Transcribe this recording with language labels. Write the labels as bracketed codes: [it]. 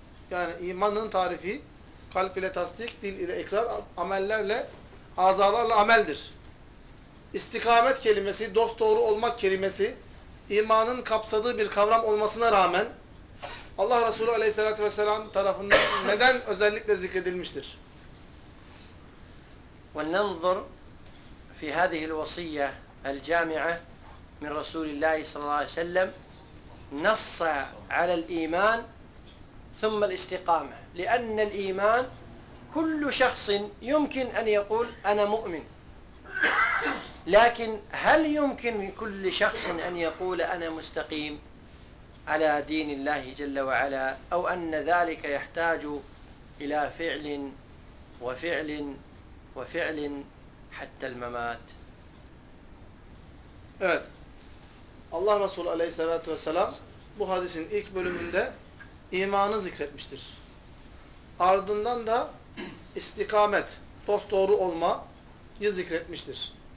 [tr] Yani imanın tarifi kalp ile tasdik, dil ile ikrar, amellerle, azalarla ameldir. İstikamet kelimesi, dost doğru olmak kelimesi imanın kapsadığı bir kavram olmasına rağmen Allah Resulü Aleyhisselatü Vesselam tarafından neden özellikle zikredilmiştir? [ar] وَنَنْظُرْ في هذه الوصية الجامعة من رسول الله صلى الله عليه وسلم نص على الإيمان ثم الاستقامة، لأن الإيمان كل شخص يمكن أن يقول أنا مؤمن، لكن هل يمكن لكل شخص أن يقول أنا مستقيم على دين الله جل وعلا، أو أن ذلك يحتاج إلى فعل وفعل وفعل حتى الممات. [tr] Evet. Allah Resulü Aleyhisselatü Vesselam bu hadisin ilk bölümünde imanı zikretmiştir. Ardından da istikamet, dosdoğru olmayı zikretmiştir.